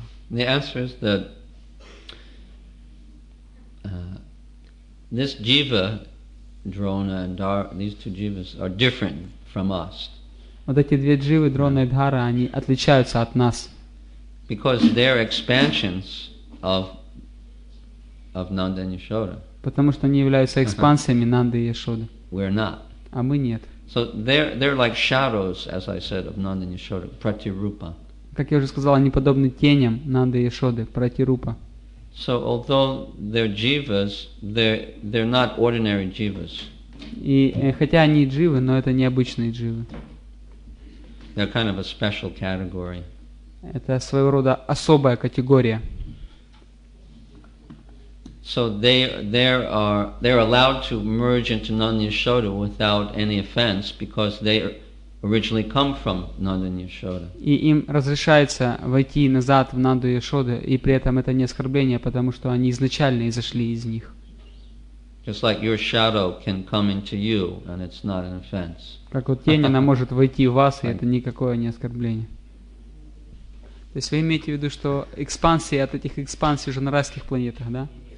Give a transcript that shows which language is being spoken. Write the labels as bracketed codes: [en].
[en] The answer is that this jiva, Drona and Dhara, these two jivas are different from us. [ru] Вот эти две дживы, Дрона и Дхара, они отличаются от нас. [en] Because they're expansions of Nanda and Yashoda. [ru] Потому что они являются экспансиями Нанды и Яшоды. [en] We're not. [ru] А мы нет. [en] So they're like shadows, as I said, of Nanda and Yashoda, Pratirupa. [ru] Как я уже сказал, они подобны теням Нанды и Яшоды, Пратирупа. [en] So although they're jivas, they're not ordinary jivas. [ru] И хотя они дживы, но это необычные дживы. [en] They're kind of a special category. [ru] Это своего рода особая категория. [en] So they're allowed to merge into Nanda-Yashoda without any offense because they originally come from Nanda-Yashoda. [ru] И им разрешается войти назад в Нанду-Яшоду, и при этом это не оскорбление, потому что они изначально изошли из них. [en] Just like your shadow can come into you, and it's not an offense. [ru] Как вот тень, она может войти в вас, и это никакое не оскорбление. То есть вы имеете в виду, что экспансии от этих экспансий уже на райских планетах, да?